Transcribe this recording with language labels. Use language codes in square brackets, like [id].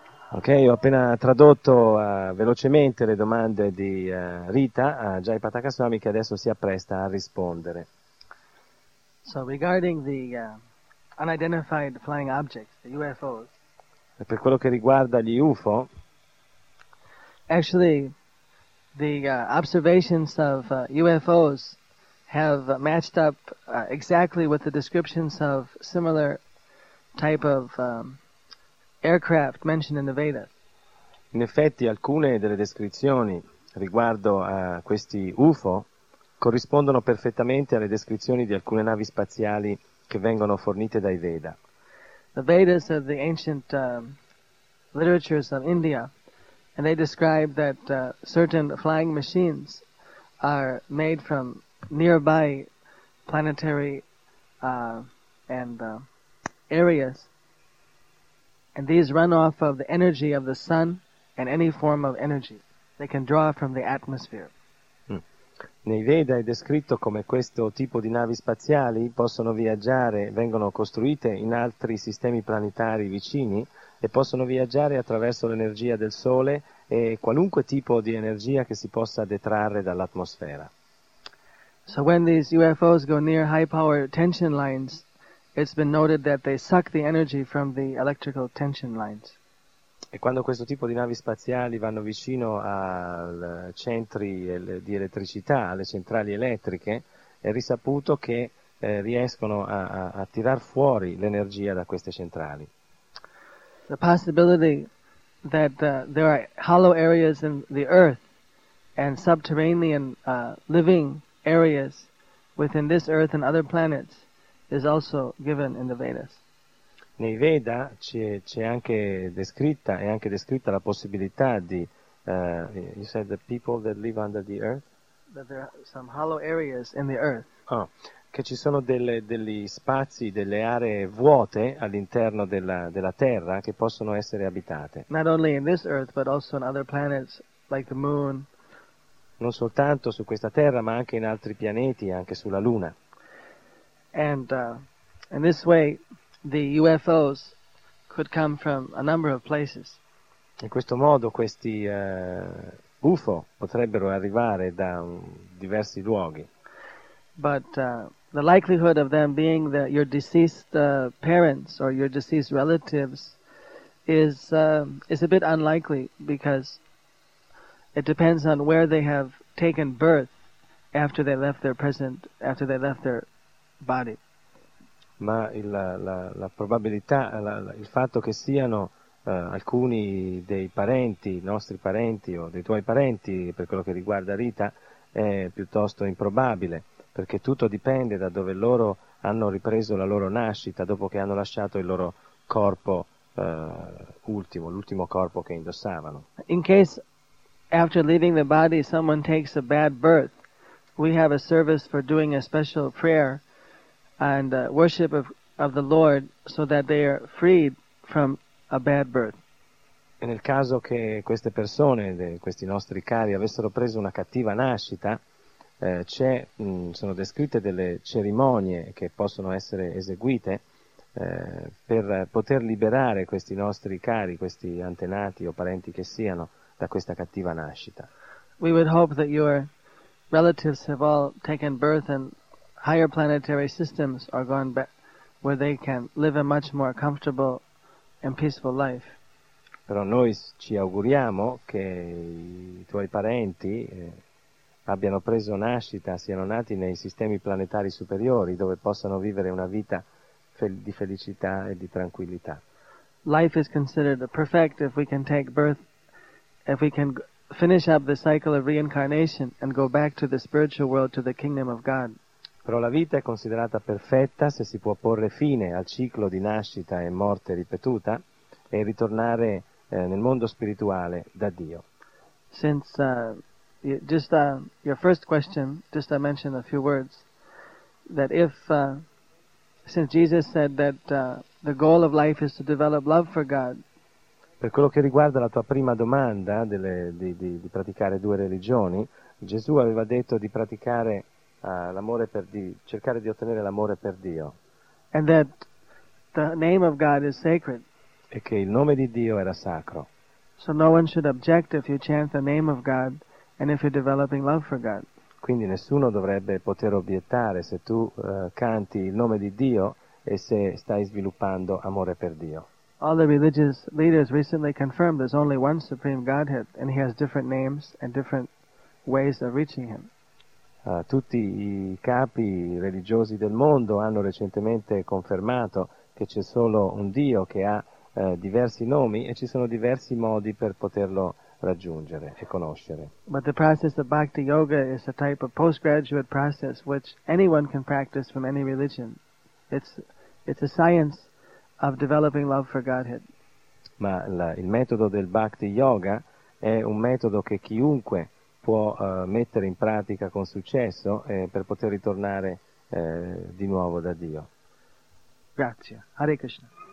[it] Ho appena tradotto velocemente le domande di Rita a Jai Pataka Swami, che adesso si appresta a rispondere. [en] So regarding the unidentified flying objects, the UFOs. [it] E per quello che riguarda gli UFO. [en] Actually, the observations of UFOs have matched up exactly with the descriptions of similar type of aircraft mentioned in the Vedas. [it] In effetti, alcune delle descrizioni riguardo a questi UFO corrispondono perfettamente alle descrizioni di alcune navi spaziali che vengono fornite dai Veda. [en] The Vedas are the ancient literatures of India, and they describe that certain flying machines are made from nearby planetary areas, and these run off of the energy of the sun and any form of energy they can draw from the atmosphere. [it] Nei Veda è descritto come questo tipo di navi spaziali possono viaggiare, vengono costruite in altri sistemi planetari vicini e possono viaggiare attraverso l'energia del sole e qualunque tipo di energia che si possa detrarre dall'atmosfera. [en] So when these UFOs go near high power tension lines, it's been noted that they suck the energy from the electrical tension lines. [it] E quando questo tipo di navi spaziali vanno vicino a centri di elettricità, alle centrali elettriche, è risaputo che riescono a tirar fuori l'energia da queste centrali. [en] The possibility that there are hollow areas in the earth and subterranean living areas within this earth and other planets is also given in the Vedas. [it] Nei Veda c'è anche descritta, è anche descritta la possibilità di, [en] you said the people that live under the earth? That there are some hollow areas in the earth. [it] Oh, che ci sono degli spazi, delle aree vuote all'interno della terra che possono essere abitate. [en] Not only in this earth, but also on other planets, like the moon. [it] Non soltanto su questa terra, ma anche in altri pianeti, anche sulla luna. [en] And in this way, the UFOs could come from a number of places. [it] In questo modo questi UFO potrebbero arrivare da diversi luoghi. [en] But the likelihood of them being your deceased parents or your deceased relatives is a bit unlikely, because it depends on where they have taken birth after they left their present, after they left their body. [it] Ma la probabilità, il fatto che siano alcuni dei parenti, nostri parenti o dei tuoi parenti, per quello che riguarda Rita, è piuttosto improbabile, perché tutto dipende da dove loro hanno ripreso la loro nascita dopo che hanno lasciato il loro corpo l'ultimo corpo che indossavano. [en] In case after leaving the body someone takes a bad birth, we have a service for doing a special prayer and worship of the Lord so that they are freed from a bad birth. [it] E nel caso che queste persone, questi nostri cari, avessero preso una cattiva nascita, sono descritte delle cerimonie che possono essere eseguite per poter liberare questi nostri cari, questi antenati o parenti che siano, da questa cattiva nascita. [en] We would hope that your relatives have all taken birth and higher planetary systems are gone back, where they can live a much more comfortable and peaceful life. [it] Però noi ci auguriamo che i tuoi parenti abbiano preso nascita, siano nati nei sistemi planetari superiori, dove possano vivere una vita di felicità e di tranquillità. [en] Life is considered perfect if we can take birth, if we can finish up the cycle of reincarnation and go back to the spiritual world, to the kingdom of God. [it] Però la vita è considerata perfetta se si può porre fine al ciclo di nascita e morte ripetuta e ritornare nel mondo spirituale da Dio. [en] Since your first question, just I mentioned a few words, that since Jesus said that the goal of life is to develop love for God. [it] Per quello che riguarda la tua prima domanda di praticare due religioni, Gesù aveva detto di praticare l'amore per Dio, cercare di ottenere l'amore per Dio. [en] And that the name of God is sacred. [it] E che il nome di Dio era sacro. [en] So no one should object if you chant the name of God and if you're developing love for God. [it] quindi nessuno dovrebbe poter obiettare se tu canti il nome di Dio e se stai sviluppando amore per Dio. [en] All the religious leaders recently confirmed there's only one supreme Godhead and he has different names and different ways of reaching him. [it] Tutti i capi religiosi del mondo hanno recentemente confermato che c'è solo un Dio che ha diversi nomi e ci sono diversi modi per poterlo raggiungere e conoscere. [en] But the process of Bhakti Yoga is a type of postgraduate process which anyone can practice from any religion. It's a science of developing love for Godhead. [it] Ma il metodo del Bhakti Yoga è un metodo che chiunque può mettere in pratica con successo per poter ritornare di nuovo da Dio. Grazie. Hare Krishna.